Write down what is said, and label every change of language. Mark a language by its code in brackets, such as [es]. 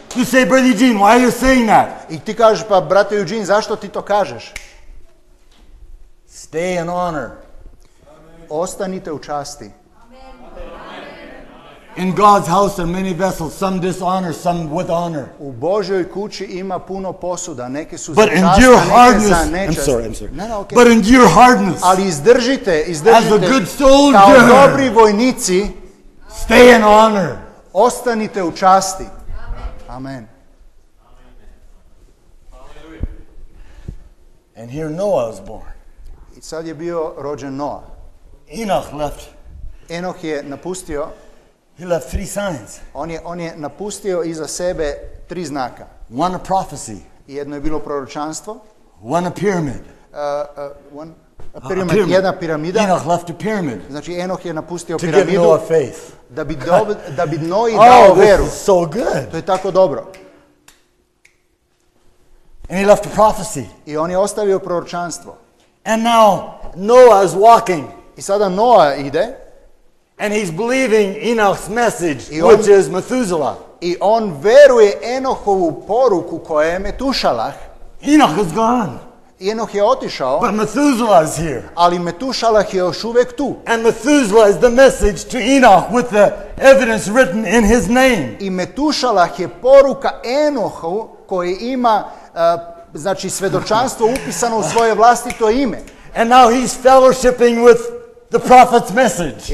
[en] you say, brother Eugene, why are you saying that? [hr] I ti kažeš, pa brate Eugene, zašto ti to kažeš? [en] Stay in honor. [hr] Ostanite u časti. [en] In God's house are many vessels, some dishonor, some with honor. [hr] U Božoj kući ima puno posuda, neke su za čast, neke za nečast. [en] I'm sorry. But endure hardness. [hr] Ali izdržite. [en] As a good soldier. [hr] Kao dobri vojnici. [en] Stay in honor. [hr] Ostanite u časti. [en] Amen. Amen. And here Noah was born. [hr] I sad je bio rođen Noah. [en] Enoch left. [hr] Enoch je napustio. [en] He left three signs. [hr] On je napustio iza sebe tri znaka. [en] One a prophecy. [hr] Jedno je bilo proročanstvo. [en] One a pyramid. A pyramid. [hr] Jedna piramida. [en] Enoch left a pyramid. [hr] Znači Enoh je napustio to piramidu. [en] To give Noah faith. [hr] Da bi Noi dao veru. [en] Oh, this is so good. [hr] To je tako dobro. [en] And he left a prophecy. [hr] I on je ostavio proročanstvo. [en] And now Noah is walking. [hr] I sada Noah ide. [en] And he's believing Enoch's message, which is Methuselah. [hr] I on veruje Enohovu poruku koja je Metušalah. [en] Enoch is gone. [hr] Enoch je otišao. [en] But Methuselah is here. [hr] Ali Metušalah je još uvijek tu. [en] And Methuselah is the message to Enoch with the evidence written in his name. [hr] I Metušalah je poruka Enohu koji ima, znači, svedočanstvo upisano u svoje vlastito ime. [en] And now he's fellowshipping with the prophet's message.